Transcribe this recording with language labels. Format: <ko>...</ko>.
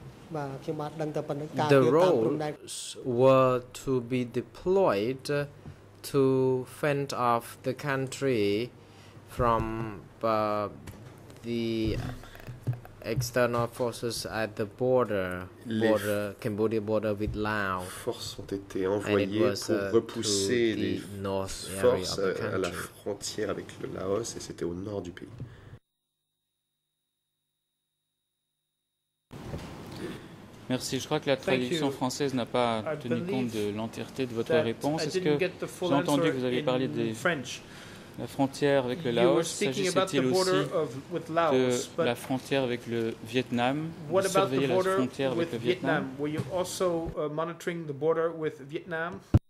<en>the roles were to be deployed to fend off the country from the external forces at the border Cambodia border with Laos.</en> <fr>Forces ont été envoyées pour repousser les forces à la frontière avec le Laos, et c'était au nord du pays. Merci. Je crois que la traduction française n'a pas tenu compte de l'entièreté de votre réponse. Est-ce que j'ai entendu que vous avez parlé de la frontière avec le Laos? S'agissait-il aussi de la frontière avec le Vietnam? Surveiller la frontière avec le Vietnam?</fr> <en>Were you also monitoring the border with Vietnam?</en>